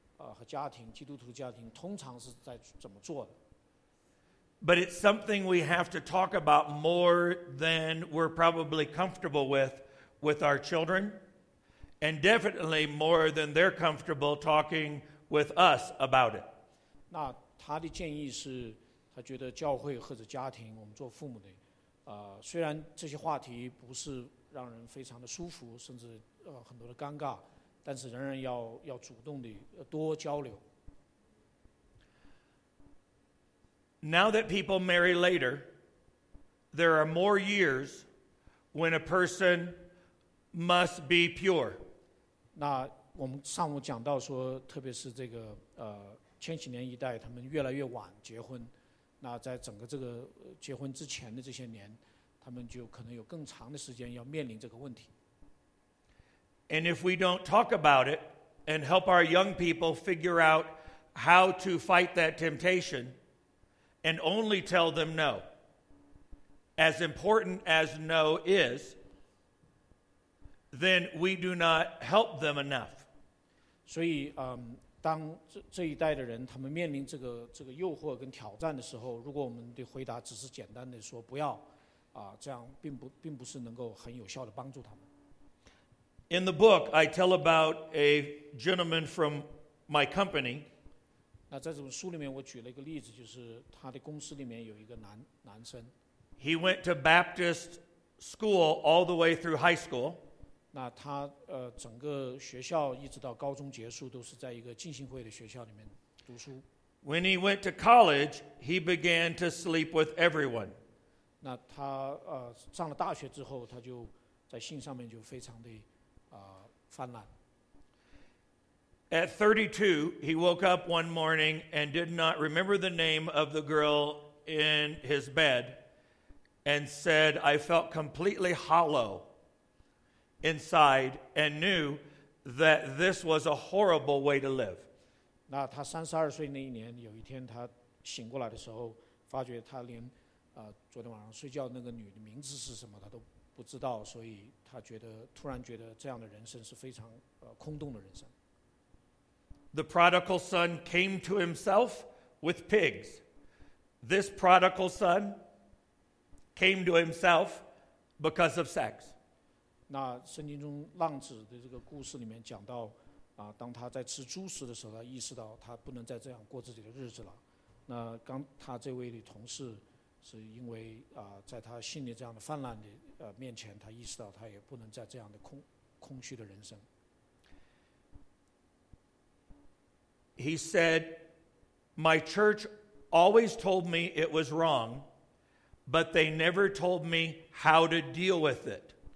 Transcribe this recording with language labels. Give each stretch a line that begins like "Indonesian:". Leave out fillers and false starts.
Chinese: 和家庭，基督徒家庭通常是在怎么做的。
English: But it's something we have to talk about more than we're probably comfortable with our children, and definitely more than they're comfortable talking with us about it.
Chinese: 那他的建议是，他觉得教会或者家庭，我们做父母的，虽然这些话题不是让人非常的舒服，甚至很多的尴尬，但是仍然要主动的多交流。
English: Now that people marry later, there are more years when a person must be pure.
Chinese: 那我们上午讲到说，特别是这个千禧年一代，他们越来越晚结婚。那在整个这个结婚之前的这些年，他们就可能有更长的时间要面临这个问题。
English: And if we don't talk about it and help our young people figure out how to fight that temptation. And only tell them no. As important as no is, then we do not help them enough.
Chinese: 所以，当这一代的人他们面临这个诱惑跟挑战的时候，如果我们的回答只是简单的说不要，这样并不是能够很有效的帮助他们。
English: In the book, I tell about a gentleman from my company.
Chinese: 那在这本书里面我举了一个例子，就是他的公司里面有一个男生。
English: He went to Baptist school all the way through high school.
Chinese: 那他整个学校一直到高中结束都是在一个浸信会的学校里面读书。
English: When he went to college, he began to sleep with everyone.
Chinese: 那他上了大学之后，他就在性上面就非常的泛滥。
English: At 32, he woke up one morning and did not remember the name of the girl in his bed and said, I felt completely hollow inside and knew that this was a horrible way to live.
Chinese: 那他32岁那一年，有一天他醒过来的时候，发觉他连昨天晚上睡觉那个女的名字是什么他都不知道，所以他突然觉得这样的人生是非常空洞的人生。
English: The prodigal son came to himself with pigs. This prodigal son came to himself because of sex.
Chinese: 那圣经中浪子的这个故事里面讲到，当他在吃猪食的时候，他意识到他不能再这样过自己的日子了。那刚他这位的同事是因为在他心里这样的泛滥的面前，他意识到他也不能再这样的空虚的人生。
English: He said, my church always told me it was wrong, but they never told me how to deal with it.